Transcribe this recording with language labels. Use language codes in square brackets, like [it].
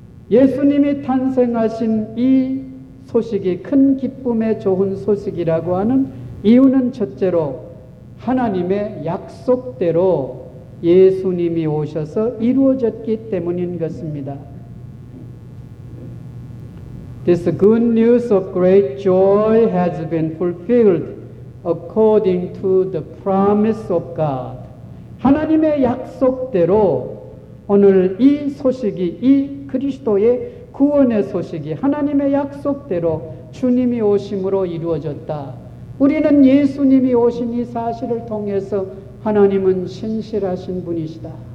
[ko] 예수님이 탄생하신 이 소식이 큰 기쁨의 좋은 소식이라고 하는 이유는 첫째로 하나님의 약속대로 예수님이 오셔서 이루어졌기 때문인 것입니다. [en] This good news of great joy has been fulfilled according to the promise of God. [ko] 하나님의 약속대로 오늘 이 소식이, 이 그리스도의 구원의 소식이 하나님의 약속대로 주님이 오심으로 이루어졌다. 우리는 예수님이 오신 이 사실을 통해서 하나님은 신실하신 분이시다.